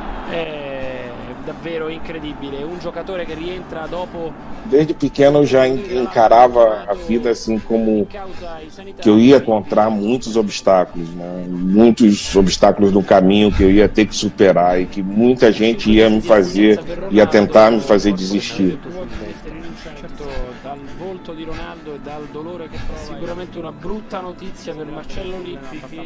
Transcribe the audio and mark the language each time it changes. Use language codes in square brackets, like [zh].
[it] È davvero incredibile, un giocatore che rientra dopo. [pt] Desde pequeno já encarava a vida assim como que eu ia encontrar muitos obstáculos, né? Muitos obstáculos no caminho que eu ia ter que superar e que muita gente ia me fazer, ia tentar me fazer desistir. [it] Dal volto di Ronaldo e dal dolore che prova, sicuramente una brutta notizia per Marcello Lippi.